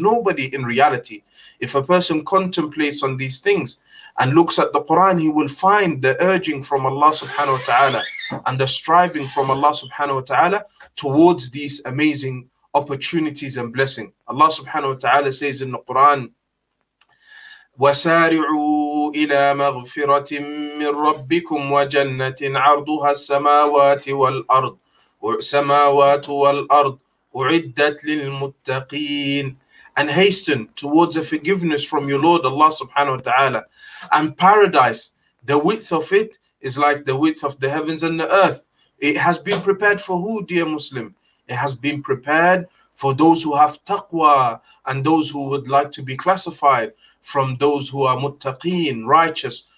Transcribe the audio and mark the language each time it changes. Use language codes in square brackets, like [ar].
[en] Nobody in reality. If a person contemplates on these things and looks at the Quran, he will find the urging from Allah subhanahu wa ta'ala and the striving from Allah subhanahu wa ta'ala towards these amazing opportunities and blessings. Allah subhanahu wa ta'ala says in the Quran, [ar] وسارعوا إلى مغفرة من ربكم وجنة عرضها السماوات والأرض والسماوات والأرض أعدت للمتقين. [en] And hasten towards the forgiveness from your Lord Allah subhanahu wa ta'ala. And paradise, the width of it is like the width of the heavens and the earth. It has been prepared for who, dear Muslim? It has been prepared for those who have taqwa and those who would like to be classified from those who are muttaqeen, righteous.